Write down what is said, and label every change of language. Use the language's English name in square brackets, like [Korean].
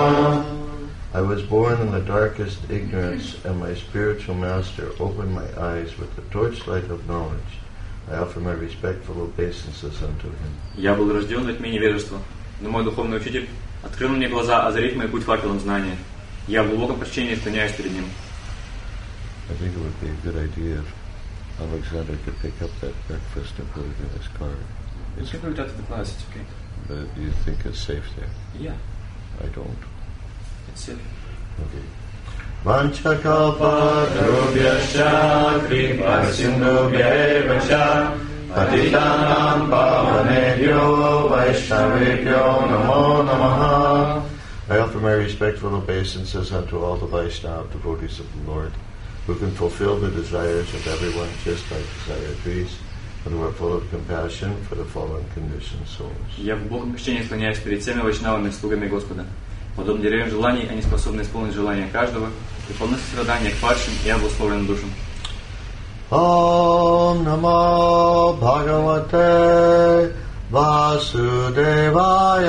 [English] I was born in the darkest ignorance, and my spiritual master opened my eyes with the torchlight of knowledge. I offer my respectful obeisances unto him. [Russian] Я был рожден во тьме невежества, но мой духовный учитель открыл мне глаза, озарив мой путь факелом знания. Я в глубоком прощении склоняюсь перед ним. [English] I think it would be a good idea if Alexander could pick up that breakfast and put it in his car. It's okay, put it out of the class, it's okay. But you think it's safe there? Yeah. I don't. It's safe. [Sanskrit] Okay. Vancha kalpa drubhyasya kripa sindubhyevacha Patitanam Pavanebhyo Vaishnavebhyo Namo Namaha. [English] I offer my respectful obeisances unto all the Vaishnava devotees of the Lord who can fulfill the desires of everyone just by desire trees and who are full of compassion for the fallen conditioned souls. [Russian] Я в Богом крещении склоняюсь перед всеми Вайшнавами, слугами Господа. Подобно деревьям желаний, они способны исполнить желания каждого и полны сострадания к падшим и обусловленным душам. [Sanskrit] Om Namo Bhagavate Vasudevaya.